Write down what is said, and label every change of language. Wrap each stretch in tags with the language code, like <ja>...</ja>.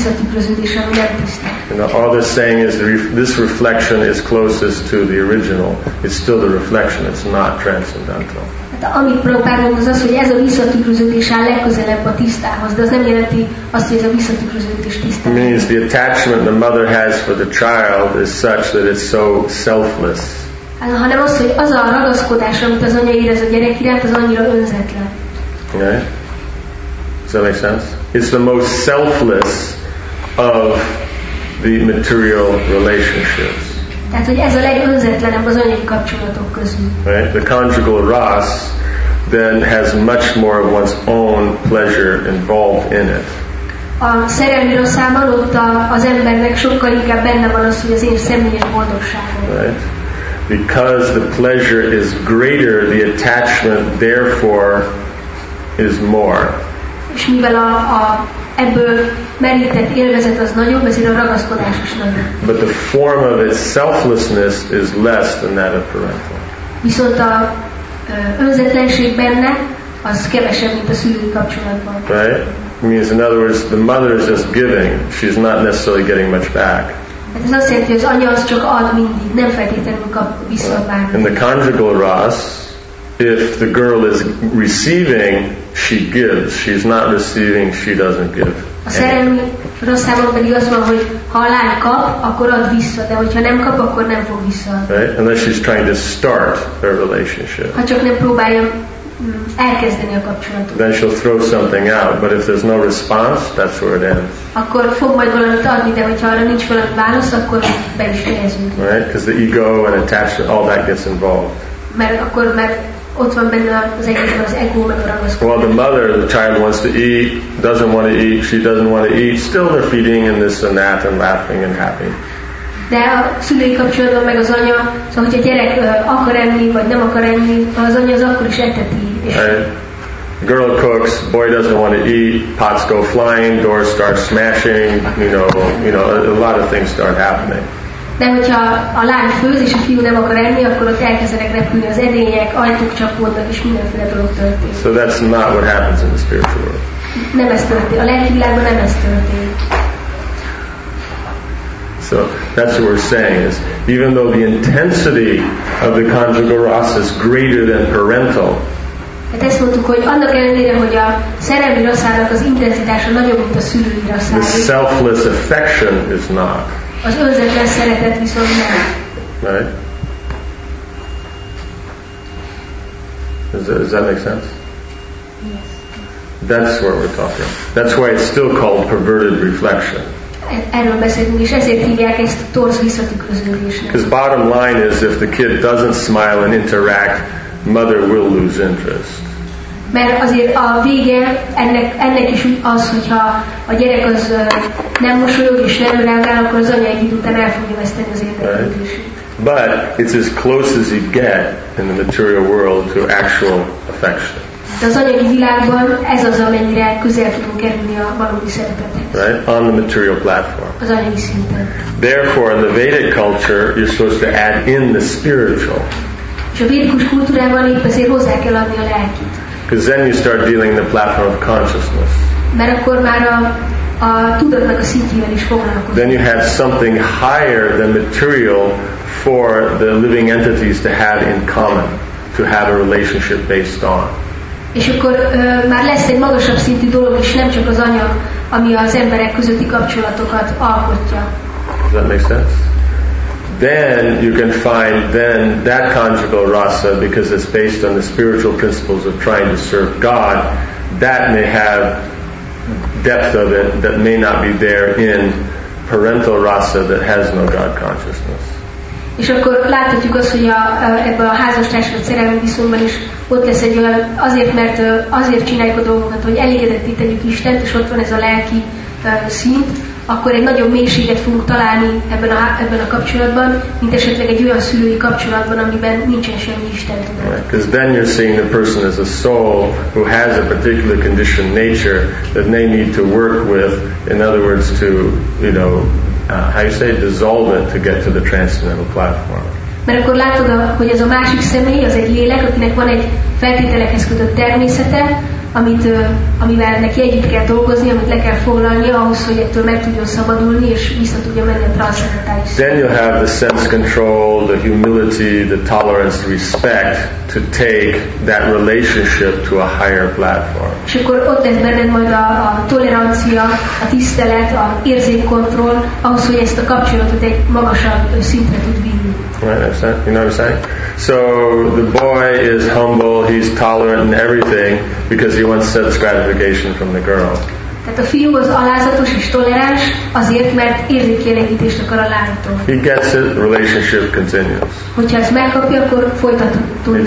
<en>You know, all they're saying is this reflection is closest to the original. It's still the reflection. It's not transcendental.</en> <hu>amit próbálunk, az az, hogy ez a visszatükröződés áll legközelebb a tisztához, de az nem jelenti azt, hogy ez a visszatükröződés tisztához.</hu> <en>Means the attachment the mother has for the child is such that it's so selfless.</en> <hu>Hanem az, hogy az a ragaszkodás, amit az anya érez a gyerek iránt, az annyira önzetlen.</hu> <en>Okay. Does that make sense? It's the most selfless of the material relationships.</en> <hu>Tehát, hogy ez a legönzetlenebb az anyai kapcsolatok közül.</hu> <en>Right? The conjugal ras then has much more of one's own pleasure involved in it.</en> <hu>A szerelmi rosszában ott az embernek sokkal inkább benne van az, hogy az én személyes boldogságom.</hu> <en>Right? Because the pleasure is greater, the attachment therefore is more.</en> <hu>És mivel a ebből merített élvezet az nagyobb, ezért a ragaszkodás is nagyobb.</hu> <en>But the form of its selflessness is less than that of parental.</en> <hu>Viszont a önzetlenség benne az kevesebb, mint a szülői kapcsolatban.</hu> <en>Right? Means in other words, the mother is just giving. She's not necessarily getting much back.</en> <hu>Hát ez azt jelenti, hogy az anya az csak ad mindig, nem feltétlenül kap vissza bármit.</hu> <en>In the conjugal ras, if the girl is receiving, she gives. She's not receiving, she doesn't give.</en> <hu>A szerelmi rosszában pedig az van, hogy ha a lány kap, akkor ad vissza, de hogyha nem kap, akkor nem fog vissza.</hu> <en>Right? Unless she's trying to start her relationship.</en> <hu>Ha csak nem próbálja elkezdeni a kapcsolatot.</hu> <en>Then she'll throw something out, but if there's no response, that's where it ends.</en> <hu>Akkor fog majd valamit adni, de hogyha arra nincs valami válasz, akkor be is fejezünk.</hu> <en>Right? Because the ego and attachment, all that gets involved.</en> <hu>Mert akkor meg ott van benne az egészben az ego, meg a ragaszkodás.</hu> <en>Well, the mother, the child wants to eat, doesn't want to eat, she doesn't want to eat, still they're feeding and this and that and laughing and happy.</en> <hu>De a szülői kapcsolatban meg az anya, szóval hogyha a gyerek akar enni, vagy nem akar enni, az anya az akkor is eteti.</hu> <en>Right. Girl cooks, boy doesn't want to eat, pots go flying, doors start smashing, you know, a lot of things start happening.</en> <hu>De hogyha a lány főz és a fiú nem akar enni, akkor ott elkezdenek repülni az edények, ajtók csapódnak és mindenféle dolog történik.</hu> <en>So that's not what happens in the spiritual world.</en> <hu>Nem ez történik. A lelki világban nem ez történik.</hu> <en>So that's what we're saying is, even though the intensity of the conjugal rasa is greater than parental.</en> <hu>Hát ezt mondtuk, hogy annak ellenére, hogy a szerelmi rasszának az intenzitása nagyobb, mint a szülői rasszának.</hu> <en>The selfless affection is not.</en> <hu>Az önzetlen szeretet viszont nem.</hu> <en>Right? Does that make sense? Yes. That's what we're talking. That's why it's still called perverted reflection.</en> <hu>Erről beszélünk, és ezért hívják ezt torz visszatükröződésnek.</hu> <en>Because bottom line is, if the kid doesn't smile and interact, mother will lose interest.</en> <hu>Mert azért a vége ennek is az, hogyha a gyerek az nem mosolyog és nem reagál, akkor az anya egy idő után el fogja veszteni az érdeklődését.</hu> <en>Right. But it's as close as you get in the material world to actual affection.</en> <hu>De az anyagi világban ez az, amennyire közel tudunk kerülni a valódi szeretethez.</hu> <en>Right? On the material platform.</en> <hu>Az anyagi szinten.</hu> <en>Therefore, in the Vedic culture, you're supposed to add in the spiritual.</en> <hu>És a védikus kultúrában épp azért hozzá kell adni a lelkit.</hu> <en>Because then you start dealing the platform of consciousness.</en> <hu>Mert akkor már a tudatnak a szintjével is foglalkozunk.</hu> <en>Then you have something higher than material for the living entities to have in common, to have a relationship based on.</en> <hu>És akkor már lesz egy magasabb szintű dolog is, nem csak az anyag, ami az emberek közötti kapcsolatokat alkotja.</hu> <en>Does that make sense? Then you can find then that conjugal rasa, because it's based on the spiritual principles of trying to serve God, that may have depth of it that may not be there in parental rasa that has no God consciousness.</en> <hu>És akkor láthatjuk azt, hogy ebben a házastárs vagy szerelmi viszonyban is ott lesz egy olyan, azért, mert azért csináljuk a dolgokat, hogy elégedettítenjük Istent, és ott van ez a lelki szint, akkor egy nagyobb mélységet fogunk találni ebben a kapcsolatban, mint esetleg egy olyan szülői kapcsolatban, amiben nincsen semmi Isten.</hu> <en>Because then you're seeing the person as a soul who has a particular conditioned nature that they need to work with, in other words, to, you know, how you say it, dissolve it to get to the transcendental platform.</en> <hu>Mert akkor látod, hogy ez a másik személy, az egy lélek, akinek van egy feltételekhez kötött természete, amit, amivel neki együtt kell dolgozni, amit le kell foglalni ahhoz, hogy ettől meg tudjon szabadulni, és vissza tudja menni a transzcendentális.</hu> <en>Then you have the sense control, the humility, the tolerance, respect to take that relationship to a higher platform.</en> <hu>És akkor ott lesz benned majd a tolerancia, a tisztelet, a érzékkontroll, ahhoz, hogy ezt a kapcsolatot egy magasabb szintre tud vinni.</hu> <en>Right, you know what I'm saying? So the boy is humble, he's tolerant and everything because he wants sense gratification from the girl.</en> <hu>Tehát a fiú az alázatos és toleráns azért, mert érzékkielégítést akar a lánytól.</hu> <en>He gets it, relationship continues.</en> <hu>Hogyha ezt megkapja, akkor folytatódik.</hu>